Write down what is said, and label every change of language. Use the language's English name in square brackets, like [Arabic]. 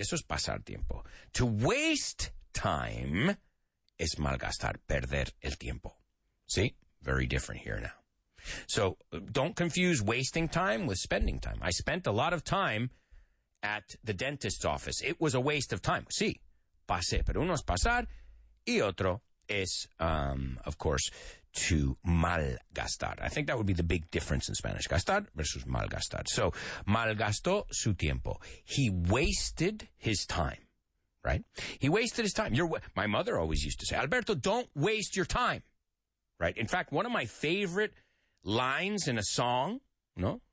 [Spanish] Eso es pasar tiempo. [English] To waste time is [Spanish] malgastar, perder el tiempo. [English] See? Very different here now. So don't confuse wasting time with spending time. I spent a lot of time at the dentist's office. It was a waste of time. See? [Spanish] Pasé, pero uno es pasar y otro es, [English] of course, [Spanish] to malgastar. [English] I think that would be the big difference in Spanish. [Spanish] Gastar versus malgastar. So, malgastó su tiempo. [English] He wasted his time, right? He wasted his time. My mother always used to say, Alberto, don't waste your time, right? In fact, one of my favorite lines in a song, ¿no?